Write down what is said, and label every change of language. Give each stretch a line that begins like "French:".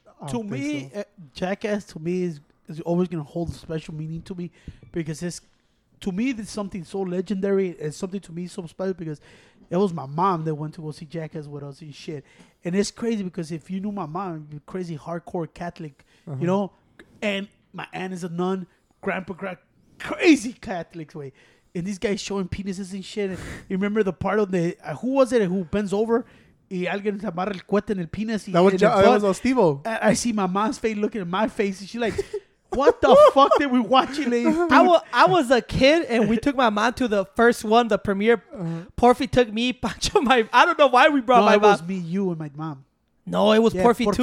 English: To me, Jackass to me is always gonna hold a special meaning to me because it's to me this something so legendary and something to me so special because it was my mom that went to go see Jackass with us and shit. And it's crazy because if you knew my mom, you're crazy hardcore Catholic, you know, and my aunt is a nun, grandpa. Crazy Catholics way, and these guys showing penises and shit. And you remember the part of the who was it who bends over?
Spanish: Y alguien se amarra el cuete en el penis.
English: That was Ostivo. I see my mom's face looking at my face, and she's like, "What the fuck did we watch, lady?" I was a kid, and we took my mom to the first one, the premiere. Porfi took me, Pancho, my I don't know why we brought my mom. It was me, you, and my mom. No, it was Porfi too.